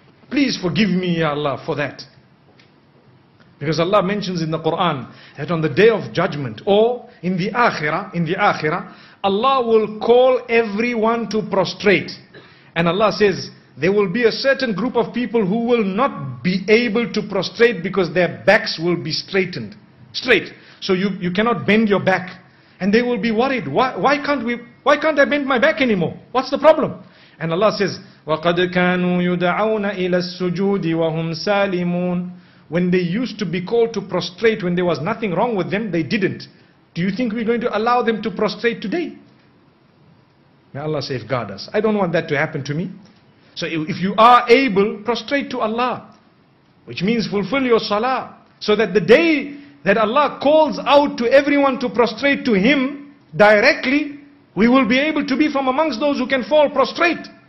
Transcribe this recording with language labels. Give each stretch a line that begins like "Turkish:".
English: Please forgive me, Ya Allah, for that. Because Allah mentions in the Quran that on the day of judgment or in the Akhirah, Allah will call everyone to prostrate. And Allah says, there will be a certain group of people who will not be able to prostrate because their backs will be straightened. Straight. So you cannot bend your back. And they will be worried. Why can't I bend my back anymore? What's the problem? And Allah says,
Arabic: وَقَدْ كَانُوا يُدَعَوْنَ إِلَى السُّجُودِ وَهُمْ سَالِمُونَ.
English: When they used to be called to prostrate, when there was nothing wrong with them, they didn't. Do you think we're going to allow them to prostrate today? May Allah safeguard us. I don't want that to happen to me. So if you are able, prostrate to Allah. Which means fulfill your salah. So that the day that Allah calls out to everyone to prostrate to Him directly, we will be able to be from amongst those who can fall prostrate.